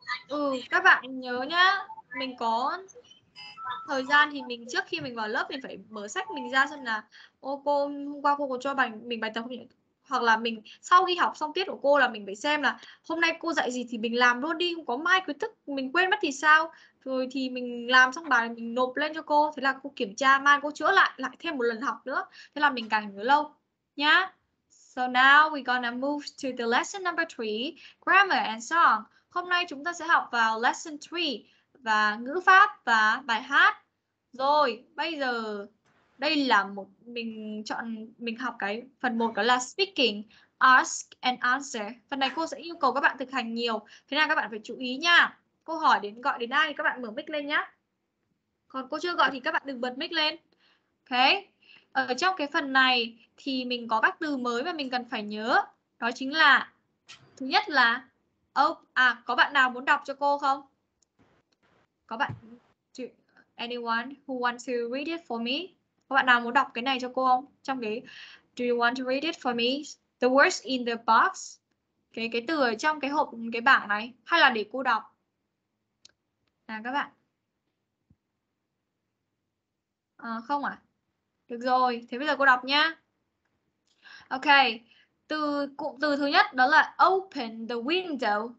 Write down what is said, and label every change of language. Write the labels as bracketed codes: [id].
[vi] Ừ, các bạn nhớ nhá, mình có thời gian thì mình trước khi mình vào lớp mình phải mở sách mình ra xem là ô cô hôm qua cô có cho bài mình bài tập không nhỉ, hoặc là mình sau khi học xong tiết của cô là mình phải xem là hôm nay cô dạy gì thì mình làm luôn đi, không có mai kiến thức mình quên mất thì sao, rồi thì mình làm xong bài mình nộp lên cho cô, thế là cô kiểm tra mai cô chữa lại lại thêm một lần học nữa, thế là mình càng nhớ lâu nhá. [en] So now we gonna move to the lesson number 3, grammar and song. [vi] Hôm nay chúng ta sẽ học vào lesson 3 và ngữ pháp và bài hát. Rồi, bây giờ đây là một mình chọn mình học cái phần 1 đó là [en] speaking, ask and answer. [vi] Phần này cô sẽ yêu cầu các bạn thực hành nhiều. Thế nào các bạn phải chú ý nha. Cô hỏi đến gọi đến ai thì các bạn mở mic lên nhá. Còn cô chưa gọi thì các bạn đừng bật mic lên. Ok. Ở trong cái phần này thì mình có các từ mới mà mình cần phải nhớ. Đó chính là thứ nhất là có bạn nào muốn đọc cho cô không? Có bạn, [en] anyone who wants to read it for me? [vi] Có bạn nào muốn đọc cái này cho cô không? Trong cái, [en] do you want to read it for me? The words in the box? [vi] Cái từ ở trong cái hộp, cái bảng này. Hay là để cô đọc? Nào các bạn. À, không à? Được rồi, thế bây giờ cô đọc nhá. Ok, từ cụm từ thứ nhất đó là [en] open the window.